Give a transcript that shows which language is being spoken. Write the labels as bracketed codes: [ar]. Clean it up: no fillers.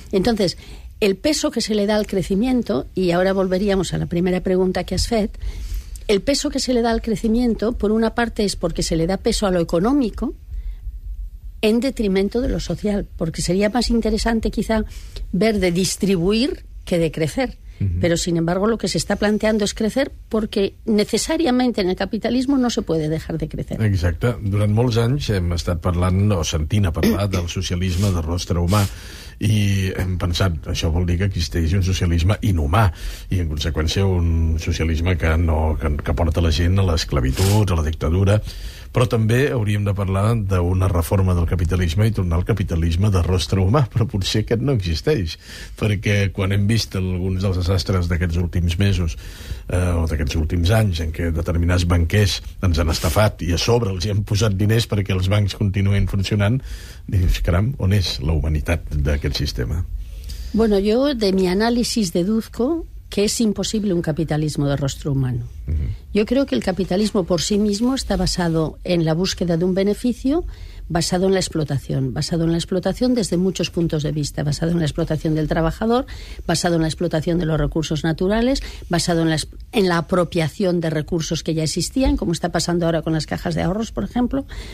[es] Entonces, el peso que se le da al crecimiento, y ahora volveríamos a la primera pregunta que has hecho, el peso que se le da al crecimiento, por una parte, es porque se le da peso a lo económico, en detrimento de lo social, porque sería más interesante quizá ver de distribuir que de crecer. Uh-huh. Pero sin embargo lo que se está planteando es crecer porque necesariamente en el capitalismo no se puede dejar de crecer. [ca] Exacte. Durant molts anys hem estat parlant, o sentint a parlar, del socialisme de rostre humà, i hem pensat, això vol dir que existeix un socialisme inhumà i en conseqüència un socialisme que porta la gent a l'esclavitud, a la dictadura. Però també hauríem de parlar d'una reforma del capitalisme i tornar al capitalisme de rostre humà, però potser aquest no existeix, perquè quan hem vist alguns dels desastres d'aquests últims mesos o d'aquests últims anys en què determinats banquers ens han estafat i a sobre els hi han posat diners perquè els bancs continuïn funcionant, dius, caram, on és la humanitat d'aquest sistema? [es] Bueno, yo de mi análisis deduzco que es imposible un capitalismo de rostro humano. Uh-huh. Yo creo que el capitalismo por sí mismo está basado en la búsqueda de un beneficio, basado en la explotación. Basado en la explotación desde muchos puntos de vista. Basado en la explotación del trabajador, basado en la explotación de los recursos naturales, basado en la apropiación de recursos que ya existían, como está pasando ahora con las cajas de ahorros, por ejemplo.